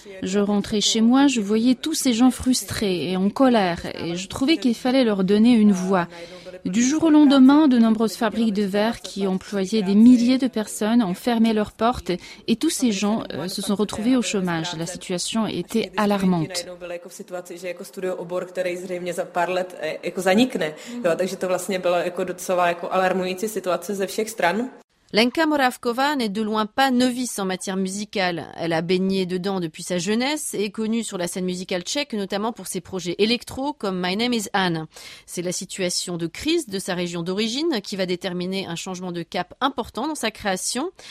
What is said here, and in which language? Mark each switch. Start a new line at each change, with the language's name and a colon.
French: Je rentrais chez moi, je voyais tous ces gens frustrés et en colère et je trouvais qu'il fallait leur donner une voix. Du jour au lendemain, de nombreuses fabriques de verre qui employaient des milliers de personnes ont fermé leurs portes et tous ces gens se sont retrouvés au chômage. La situation était alarmante.
Czech: Že jako studuje obor, který zřejmě za pár let jako zanikne. Jo, takže to vlastně bylo jako docela jako alarmující situace ze všech stran.
French: Lenka Moravkova n'est de loin pas novice en matière musicale. Elle a baigné dedans depuis sa jeunesse et est connue sur la scène musicale tchèque, notamment pour ses projets électro comme My Name is Anne. C'est la situation de crise de sa région d'origine qui va déterminer un changement de cap important dans sa création.